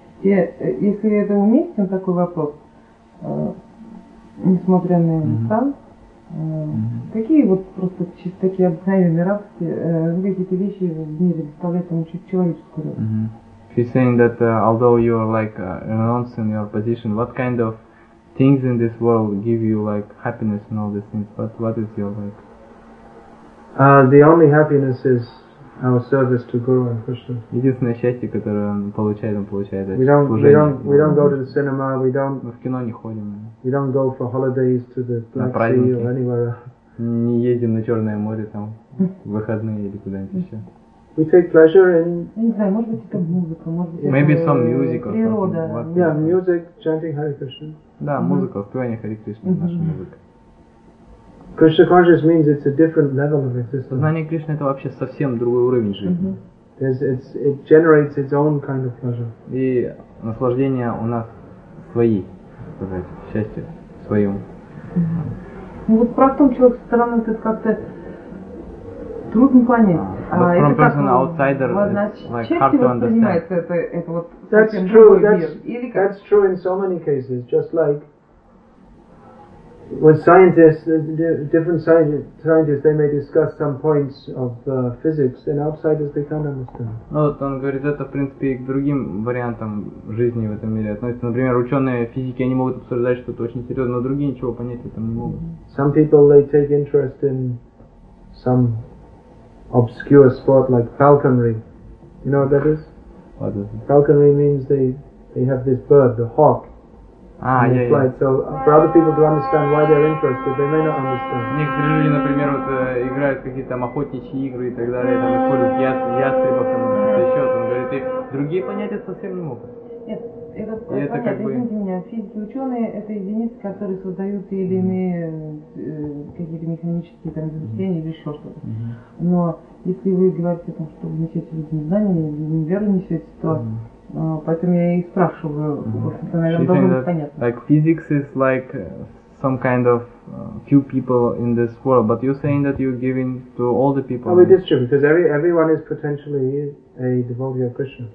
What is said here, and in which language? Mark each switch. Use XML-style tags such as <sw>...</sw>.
<ru>И если это уместен такой вопрос, несмотря на его сам, какие вот просто чисто такие обыкновенные радости, какие-то вещи в мире доставляют ему чуть человеческую радость?</ru> <en>He's saying that although you are like renounced in your position, what kind of things in this world give you like happiness and all these things? What is your like? The only happiness is our service to Guru and Krishna.</en> <ru>Единственное счастье, которое он получает,</ru> <en>We don't go to the cinema. We don't.</en> <ru>Мы в кино не ходим.</ru> <en>We don't go for holidays to the Black Sea or anywhere.</en> <ru>Не едем на Черное море там в выходные или куда-нибудь еще.</ru> <en>We take pleasure in.</en> <ru>Я не знаю, может быть это музыка, может быть.</ru> <en>Maybe some music or</en> <ru>природа.</ru> <en>Something.</en> <ru>Природа.</ru> <en>Yeah, music, chanting Hare Krishna.</en> <ru>Да, музыка, певание Hare Krishna, наша музыка.</ru> <en>Krishna consciousness means it's a different level of existence.</en> <ru>Знание Кришны это вообще совсем другой уровень жизни.</ru> <en>It generates its own kind of pleasure.</en> <ru>И наслаждение у нас свои, так сказать, счастье своем. Ну вот простом человек со стороны это как-то трудно понять.</ru> <en>But from person outsider, like hard to understand. That's true. That's true in so many cases. Just like with scientists, different scientists, they may discuss some points of physics, and outsiders they can't understand.</en> <ru>Ну вот он говорит, это в принципе и к другим вариантам жизни в этом мире относится. Например, ученые физики, они могут обсуждать что-то очень серьезное, но другие ничего понять в этом не могут.</ru> <en>Some people they take interest in some obscure sport like falconry. You know what that is? What is it? Falconry means they have this bird, the hawk. Ah, and yeah, fly. Yeah. So for other people to understand why they're interested, they may not understand.</en> <ru>Некоторые люди, например, вот играют какие-то там охотничьи игры и так далее, там используют ястребов, там еще, он говорит, и другие понять это совсем не могут. Это понятно, как бы... извините меня, физики, ученые – это единицы, которые создают те или иные какие-то механические там изобретения или еще что-то. Но если вы говорите о том, что вы несете людям знания или веру несете, то поэтому я и спрашиваю, это, наверное, должно быть понятно.</ru> <en>Like physics is like some kind of few people in this world, but you're saying that you're giving to all the people. Oh, it is true, because everyone is potentially a devotee of Krishna.</en>